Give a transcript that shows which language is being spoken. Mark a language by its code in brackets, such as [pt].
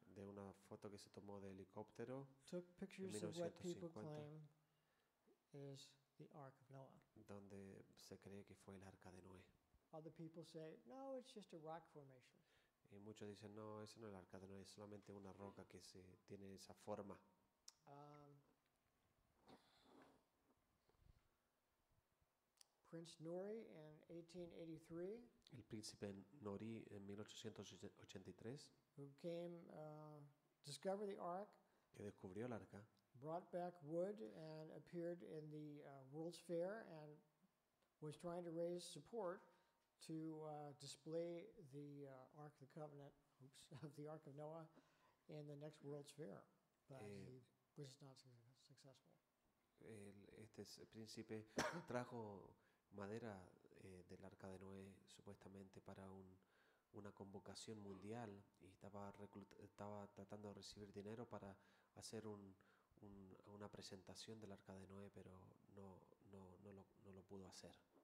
[es] De una foto que se tomó de helicóptero. [en] Took pictures of what people claim is the Ark of Noah. [es] Donde se cree que fue el Arca de Noé. [en] Other people say, no, it's just a rock formation. [es] Y muchos dicen, no, ese no es el Arca de Noé, es solamente una roca que se tiene esa forma. [en] Prince Nuri in 1883. [es] El príncipe Nuri en 1883. [en] Who came, discovered the ark. [es] Que descubrió el arca. [en] Brought back wood and appeared in the World's Fair and was trying to raise support to display the Ark of the Covenant, oops, of the Ark of Noah in the next World's Fair. But he was not successful. [es] Este es el príncipe trajo madera del Arca de Noé supuestamente para una convocación mundial y estaba tratando de recibir dinero para hacer una presentación del Arca de Noé, pero no lo pudo hacer.